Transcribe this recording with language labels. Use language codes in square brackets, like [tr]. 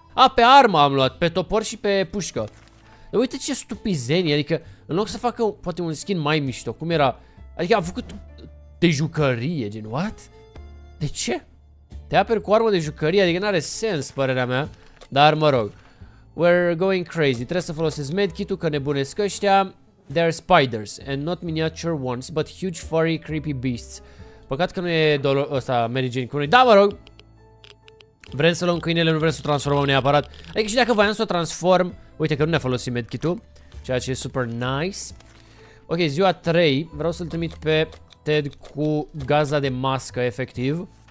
[ro] A, pe armă am luat, pe topor și pe pușcă. Uite ce stupizenie, adică în loc să facă poate un skin mai mișto, cum era? Adică am făcut de jucărie, gen, what? De ce? Te aperi cu armă de jucărie, adică n-are sens, părerea mea. Dar mă rog, [en] we're going crazy, [ro] trebuie să folosesc medkit-ul, că nebunesc ăștia. [en] There are spiders, and not miniature ones, but huge furry creepy beasts. [ro] Păcat că nu e dolor ăsta, Mary Jane, cu noi. Da, mă rog! Vrem să luăm câinele, nu vrem să o transformăm neapărat. Adică și dacă voiam să o transform... Uite că nu ne-a folosit medkit-ul. Ceea ce e [en] super nice. [ro] Ok, ziua 3. Vreau să-l trimit pe Ted cu gaza de mască, efectiv.